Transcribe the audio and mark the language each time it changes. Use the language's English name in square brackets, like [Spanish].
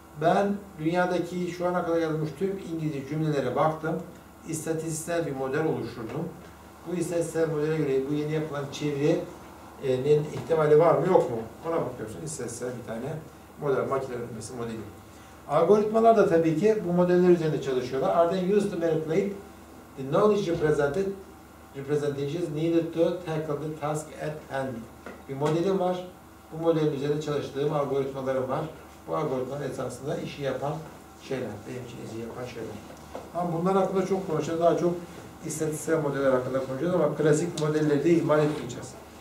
[Turkish] Ben dünyadaki şu ana kadar yazılmış tüm İngilizce cümlelere baktım. İstatistiksel bir model oluşturdum. Bu istatistiksel modele göre bu yeni yapılan çevirinin ihtimali var mı yok mu? Ona bakıyorsun. İstatistiksel bir tane model, makine öğrenmesi modeli. Algoritmalar da tabii ki bu modeller üzerinde çalışıyorlar. [English] Are they used to manipulate the knowledge represented, representations needed to tackle the task at hand? [Turkish] Bir modelim var. Bu modelin üzerinde çalıştığım algoritmalarım var. Bu algoritmalar esasında işi yapan şeyler, benim için işi yapan şeyler. Ama bunlar hakkında çok konuşacağız, daha çok istatistiksel modeller hakkında konuşacağız ama klasik modelleri de ihmal etmeyeceğiz.